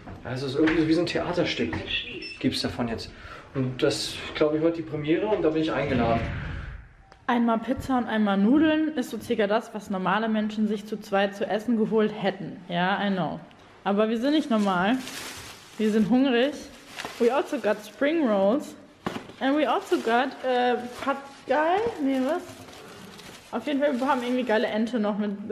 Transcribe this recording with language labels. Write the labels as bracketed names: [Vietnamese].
[German] Also es ist irgendwie so wie so ein Theaterstück, gibt es davon jetzt. Und das, glaube ich, wird die Premiere und da bin ich eingeladen. Einmal Pizza und einmal Nudeln ist so circa das, was normale Menschen sich zu zweit zu essen geholt hätten. Ja, [English] I know. [German] Aber wir sind nicht normal. Wir sind hungrig. [English] We also got spring rolls. And we also got Pad Thai. [German] Nee, was? Auf jeden Fall, wir haben irgendwie geile Ente noch mit